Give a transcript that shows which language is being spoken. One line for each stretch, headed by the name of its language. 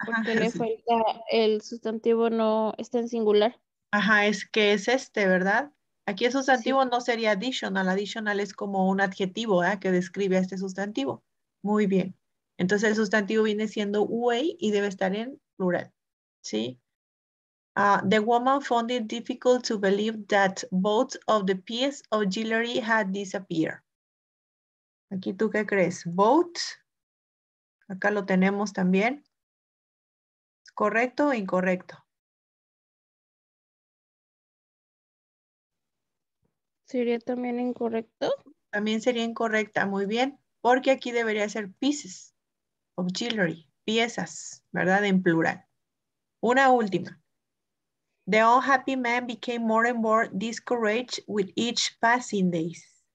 Spanish: Porque le falta el sustantivo, no está en singular. Ajá, es que es este, ¿verdad? Aquí el sustantivo sí. No sería additional. Additional es como un adjetivo, ¿eh? Que describe a este sustantivo. Muy bien. Entonces el sustantivo viene siendo way y debe estar en plural. ¿Sí?
English: The woman found it difficult to believe that both of the pieces of jewelry had disappeared.
Spanish: Aquí tú qué crees? Both. Acá lo tenemos también. ¿Correcto o incorrecto? ¿Sería también incorrecto? También sería incorrecta. Muy bien. Porque aquí debería ser
English: pieces of jewelry,
Spanish: piezas, ¿verdad? En plural. Una última.
English: The unhappy man became more and more discouraged with each passing days.